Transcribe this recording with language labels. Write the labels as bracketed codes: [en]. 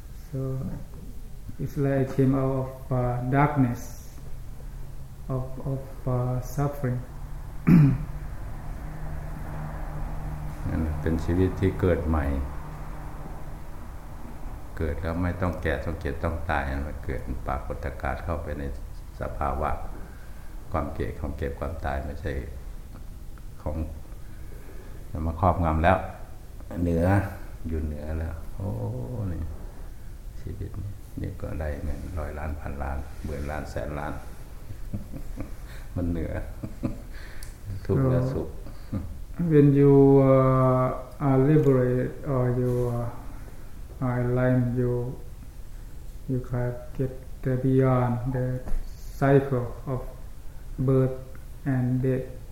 [en] So it's like I came out of darkness, of suffering. [th] เป็นชีวิตที่เกิดใหม่เกิดแล้วไม่ต้องแก่ต้องเจ็บต้องตายมันเกิดปรากฏการณ์เข้าไปในสภาวะความเกิดความเก็บความตายไม่ใช่ของมาครอบงำแล้วเหนืออยู่เหนือแล้วโอ้นี่ชีวิตนี่ก็ได้เงินร้อยล้านพันล้านหมื่นล้านแสนล้านมันเหนือทุกข์และสุข [en] When you are liberated or you are enlightened, you kind of get beyond the cycle of birth and death.